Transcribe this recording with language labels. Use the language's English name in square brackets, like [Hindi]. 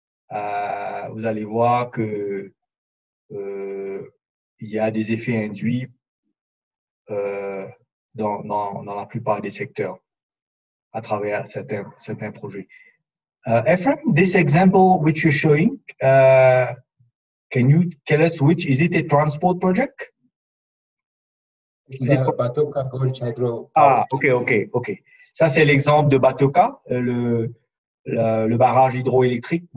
[French] Vous allez voir que il y a des effets induits dans la plupart des secteurs à travers certains projets. [English] Ephraim, this example which you're showing, can you tell us which is it a transport project? Is it Batoka Gulch Hydro? Okay. [French] Ça c'est l'exemple de Batoka, le barrage hydroélectrique.